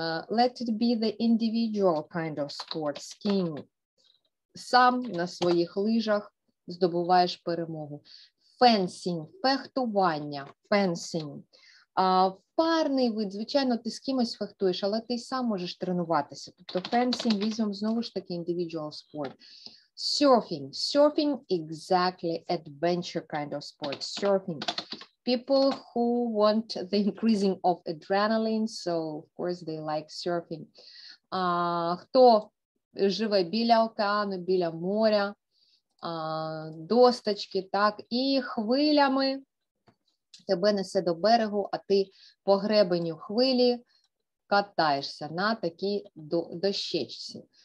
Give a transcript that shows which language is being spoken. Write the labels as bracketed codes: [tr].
[en] Let it be the individual kind of sport, skiing. [uk] Сам на своїх лижах здобуваєш перемогу. Фенсінг, фехтування, фенсінг. Парний вид, звичайно, ти з кимось фехтуєш, але ти сам можеш тренуватися. Тобто фенсінг візьмемо знову ж таки [en] individual sport. Surfing, surfing exactly adventure kind of sport. Surfing, people who want the increasing of adrenaline, so of course they like surfing. [uk] Хто живе біля океану, біля моря, досточки, так, і хвилями тебе несе до берегу, а ти по гребеню хвилі катаєшся на такій дощечці.